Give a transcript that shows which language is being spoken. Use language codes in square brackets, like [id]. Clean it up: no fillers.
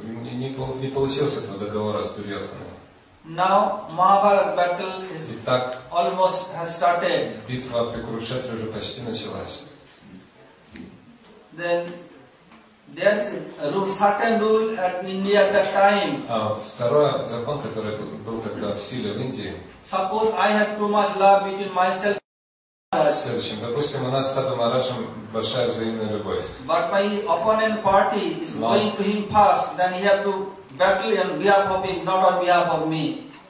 [ru] Не получилось этого договора с Дурьотханой. [en] Now Mahabharata battle is. [ru] Итак, [en] almost has started. [ru] Битва при Курукшетре уже почти началась. [en] Then there is a rule, certain rule at India at that time. [ru] Второй закон, который был тогда в силе в Индии. [en] Suppose I have too much love between myself. [ru] Следующим, допустим, у нас с Саду Махараджем большая взаимная любовь. [en] But my opponent party is going to him first, then he have to battle on behalf of him, not on behalf of me.